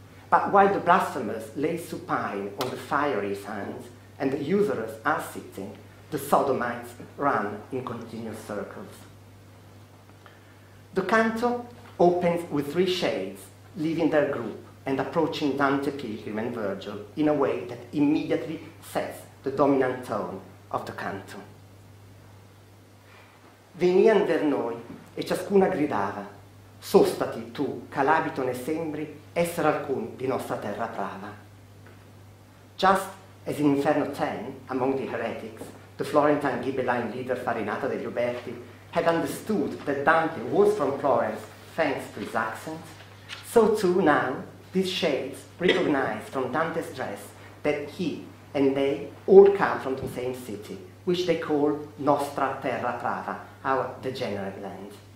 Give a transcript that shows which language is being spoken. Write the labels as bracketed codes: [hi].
[en] But while the blasphemers lay supine on the fiery sands and the usurers are sitting, the sodomites run in continuous circles. The canto opens with three shades leaving their group and approaching Dante Pilgrim and Virgil in a way that immediately sets the dominant tone of the canto. [it] Venian ver noi e ciascuna gridava, sostati tu, calabito ne sembri, essere alcun di nostra terra prava. [en] Just as in Inferno 10, among the heretics, the Florentine Ghibelline leader Farinata degli Uberti had understood that Dante was from Florence thanks to his accent, so too now these shades recognize from Dante's dress that he and they all come from the same city, which they call [it] Nostra Terra Prava, [en] our degenerate land.